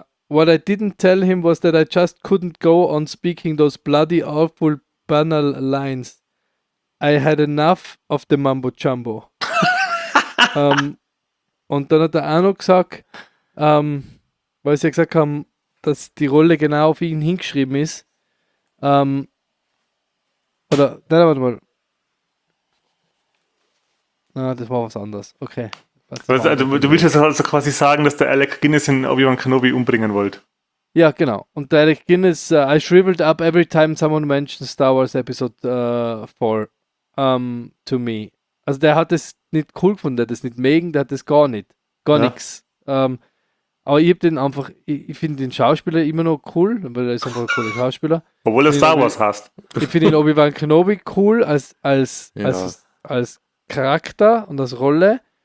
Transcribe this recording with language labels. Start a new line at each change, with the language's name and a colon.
English: What I didn't tell him was that I just couldn't go on speaking those bloody awful banal lines. I had enough of the mumbo jumbo.
German: Und dann hat er auch noch gesagt, weil sie ja gesagt haben, dass die Rolle genau auf ihn hingeschrieben ist. Das war was anderes. Okay. Du willst jetzt also quasi sagen, dass der Alec Guinness in Obi-Wan Kenobi umbringen wollte. Ja, genau. Und der
English: Alec Guinness, I shriveled up every time someone mentions Star Wars Episode 4 to me.
German: Also der hat das nicht cool gefunden, der hat das nicht mögen, der hat das gar nicht. Gar nix. Aber ich hab den einfach, ich finde den Schauspieler immer noch cool, weil er ist einfach ein cooler Schauspieler. Obwohl er Star Wars hast. Ich finde den Obi-Wan Kenobi cool als Charakter und als Rolle.